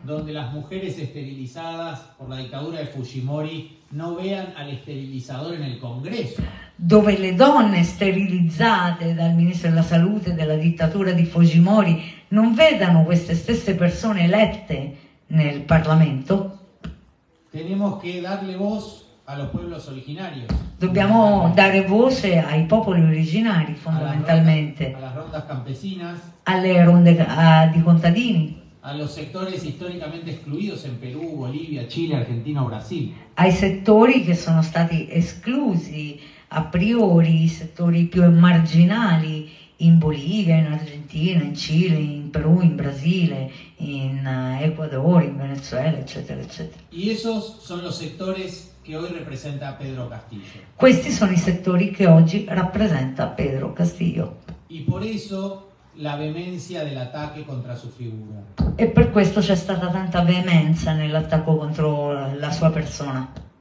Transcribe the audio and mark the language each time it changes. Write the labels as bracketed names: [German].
[Spanish] donde las mujeres esterilizadas por la dictadura de Fujimori no vean al esterilizador en el Congreso, [Italian] dove le donne sterilizzate dal ministro della salute della dittatura di Fujimori non vedano queste stesse persone elette nel Parlamento. [Spanish] Tenemos que darle voz a los pueblos originarios. [Italian] Dobbiamo dare voce ai popoli originari, fondamentalmente. [Spanish] A las rondas campesinas. [Italian] Alle ronde di contadini. [Spanish] A los sectores históricamente excluidos en Perú, Bolivia, Chile, Argentina o Brasil. [Italian] Ai settori che sono stati esclusi a priori, i settori più marginali in Bolivia, in Argentina, in Cile, in Perù, in Brasile, in Ecuador, in Venezuela, eccetera, eccetera. [Spanish] Y esos son los sectores que hoy representa Pedro Castillo. [Italian] Questi sono i settori che oggi rappresenta Pedro Castillo. [Spanish] Y por eso la vehemencia del ataque contra su figura. [Italian] E per questo c'è stata tanta veemenza nell'attacco contro la sua persona.